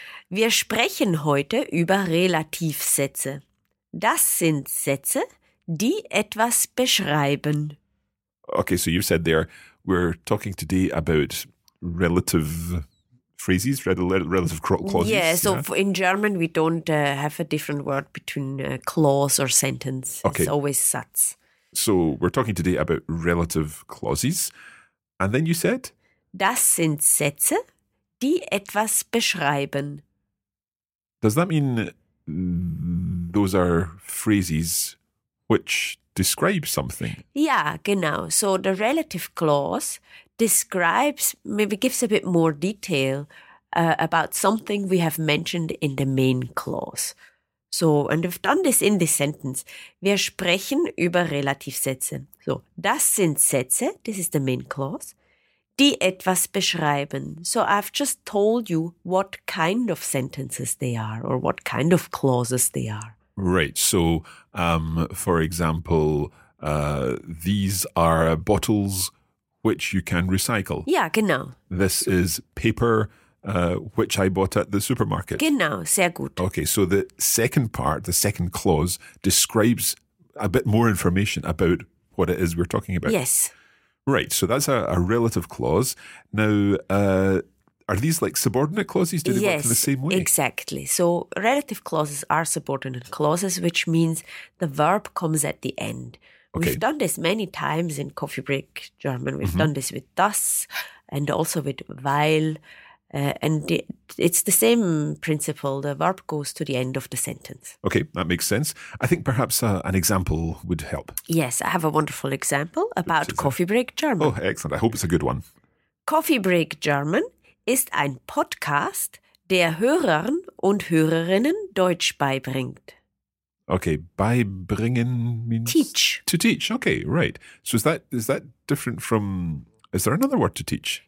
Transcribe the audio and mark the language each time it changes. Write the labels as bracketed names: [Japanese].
[German] Wir sprechen heute über Relativsätze. Das sind Sätze, die etwas beschreiben. [English] Okay, so you said there, we're talking today about relative phrases, relative clauses. Yeah, so in German we don't have a different word between clause or sentence. Okay. It's always Satz. So we're talking today about relative clauses. And then you said? [German] Das sind Sätze, die etwas beschreiben. [English] Does that mean those are phrases which describe something? Yeah, genau. So the relative clause describes, maybe gives a bit more detail about something we have mentioned in the main clause. So, and we've done this in this sentence. [German] Wir sprechen über Relativsätze. So, das sind Sätze, [English] this is the main clause, [German] die etwas beschreiben. [English] So I've just told you what kind of sentences they are or what kind of clauses they are. Right. So, for example, these are bottles which you can recycle. Yeah, genau. This is paper which I bought at the supermarket. [German] Genau, sehr gut. [English] Okay, so the second part, the second clause, describes a bit more information about what it is we're talking about. Yes. Right, so that's a relative clause. Now, are these like subordinate clauses? Do they work in the same way? Yes, exactly. So relative clauses are subordinate clauses, which means the verb comes at the end. Okay. We've done this many times in Coffee Break German. We've done this with das and also with weil. And it's the same principle. The verb goes to the end of the sentence. Okay, that makes sense. I think perhaps an example would help. Yes, I have a wonderful example about Coffee Break German. Oh, excellent. I hope it's a good one. [German] Coffee Break German ist ein Podcast, der Hörern und Hörerinnen Deutsch beibringt. [English] Okay, beibringen means... Teach. To teach, okay, right. So is that different from... Is there another word to teach?